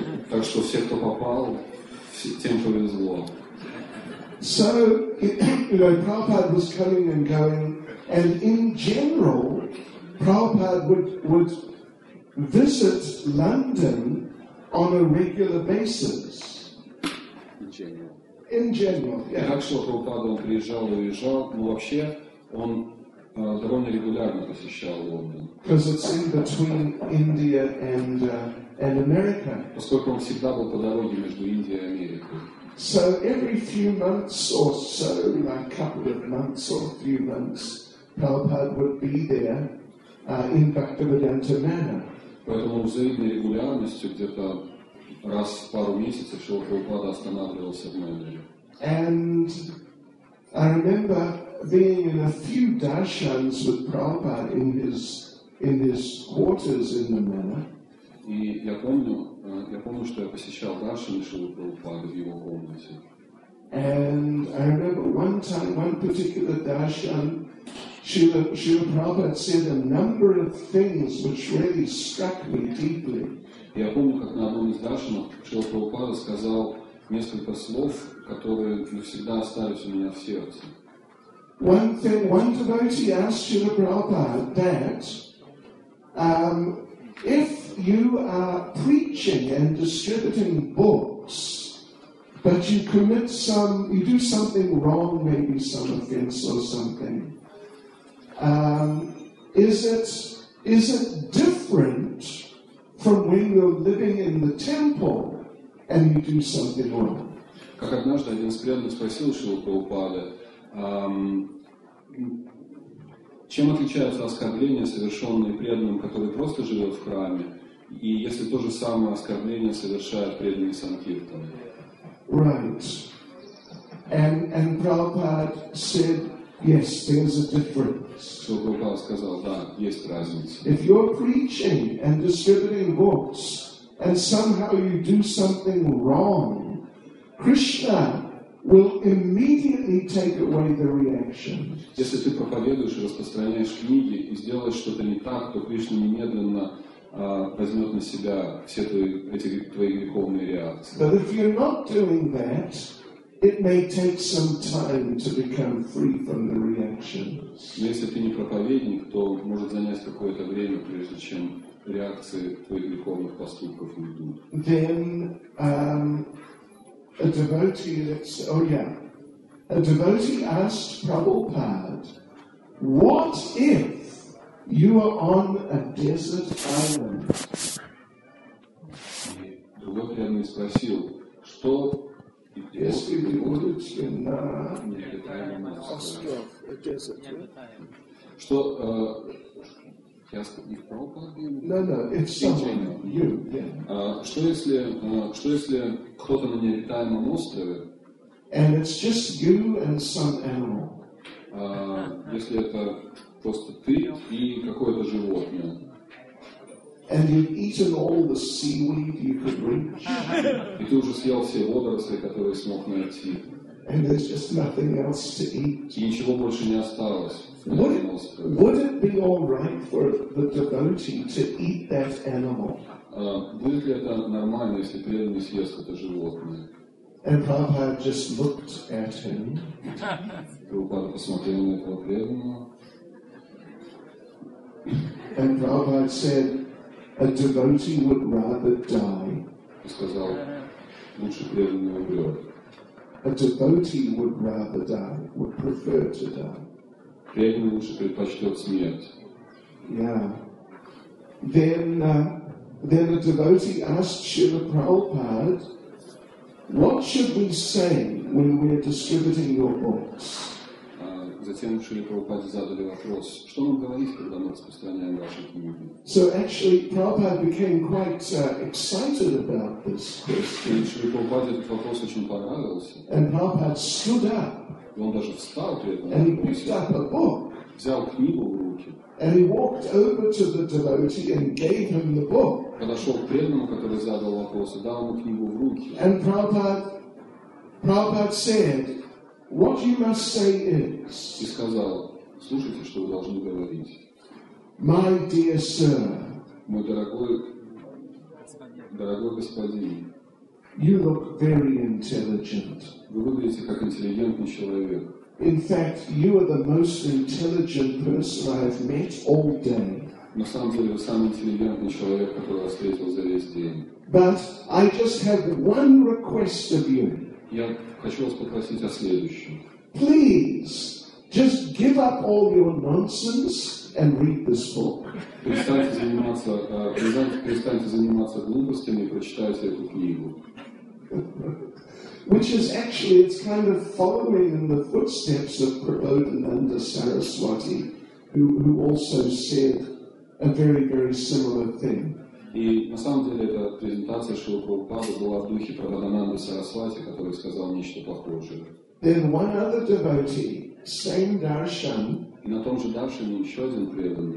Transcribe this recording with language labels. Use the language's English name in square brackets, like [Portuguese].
[Russian] Так что все, кто попал, тем повезло. [English] So, you know, Prabhupada was coming and going, and in general, Prabhupada would visit London on a regular basis. In general. [Russian] Так что Прабхупада приезжал и уезжал, но вообще он довольно регулярно посещал Лондон. [English] Because it's in between India and America. [Russian] Поскольку он всегда был по дороге между Индией и Америкой. [English] So every few months or so, like a couple of months or a few months, Prabhupada would be there in Bhaktivedanta Manor. [Russian] Поэтому в завидной регулярностью где-то раз в пару месяцев Шрила Прабхупада останавливался в Майнере. [English] And I remember being in a few darshans with Prabhupada in his quarters in the manor. [Russian] И я помню, что я посещал даршан Шрилы Прабхупады в его комнате. [English] And I remember one time, one particular darshan, Srila Prabhupada said a number of things which really struck me deeply. [Russian] Я помню, как на одном из даршанов Шрила Прабхупада сказал несколько слов, которые навсегда остались у меня в сердце. [English] One devotee asked Srila Prabhupada that if you are preaching and distributing books, but you do something wrong, maybe some offense or something, is it different from when you're living in the temple and you do something wrong? [Russian] Как однажды один из преданных спросил Шрилу Прабхупада, чем отличаются оскорбления, совершенные преданным, который просто живет в храме, и если то же самое оскорбление совершает преданный санкиртан? [English] Right. And Prabhupada said, yes, there's a difference. [Russian] Шрила Прабхупада сказал, да, есть разница. [English] If you're preaching and distributing books, and somehow you do something wrong, Krishna will immediately take away the reaction. [Russian] Если ты проповедуешь и распространяешь книги и сделаешь что-то не так, то Кришна немедленно возьмет на себя все твои греховные реакции. [English] But if you're not doing that, it may take some time to become free from the reactions. [Russian] Но если ты не проповедник, то может занять какое-то время, прежде чем реакции твоих греховных поступков уйдут. [English] Then a devotee that's, a devotee asked Prabhupada, what if you are on a desert island? [Russian] Другой преданный спросил, что если вы будете на что если кто-то на необитаемом острове, [English] and it's just you and some animal. [Russian] Если это просто ты и какое-то животное. [English] And you've eaten all the seaweed you could reach. [Russian] И ты уже съел все водоросли, которые смог найти. [English] And there's just nothing else to eat. [Russian] И ничего больше не осталось. [English] Would it be all right for the devotee to eat that animal? [Russian] Будет ли это нормально, если преданный съест это животное? [English] And Prabhupada just looked at him. [Russian] Прабхупада посмотрел на этого преданного. [English] And Prabhupada said, a devotee would rather die. [Russian] И сказал, лучше преданный умрет. [English] A devotee would rather die, would prefer to die. [Russian] Преданный лучше предпочтет смерть. [English] Yeah. Then a devotee asked Srila Prabhupada, what should we say when we are distributing your books? [Russian] Затем Шрила Прабхупаде задали вопрос, что нам говорить, когда мы распространяем ваши книги. [English] So actually, Prabhupada became quite excited about this question. [Russian] Шрила Прабхупаде этот вопрос очень понравился. [English] And Prabhupada stood up. [Russian] И он даже встал при этом. [English] And he picked up a book. [Russian] Взял книгу в руки. [English] And he walked over to the devotee and gave him the book. [Russian] Подошел к преданному, который задал вопрос, и дал ему книгу в руки. [English] And Prabhupada said, what you must say is, [Russian] и сказал, слушайте, что вы должны говорить. [English] My dear sir, [Russian] мой дорогой господин, [English] you look very intelligent. [Russian] Вы выглядите как интеллигентный человек. [English] In fact, you are the most intelligent person I have met all day. [Russian] На самом деле, вы самый интеллигентный человек, которого я встретил за весь день. [English] But I just have one request of you. [Russian] Я хочу вас попросить о следующем. [English] Please, just give up all your nonsense and read this book. [Russian] Перестаньте заниматься глупостями и прочитайте эту книгу. [English] Which is actually, it's kind of following in the footsteps of Prabodhananda Saraswati, who also said a very, very similar thing. [Russian] И на самом деле эта презентация Шрилы Прабхупады была в духе Прабхадананды Сарасвати, который сказал нечто похожее. [English] Then one other devotee, same darshan, [Russian] и на том же даршане еще один преданный.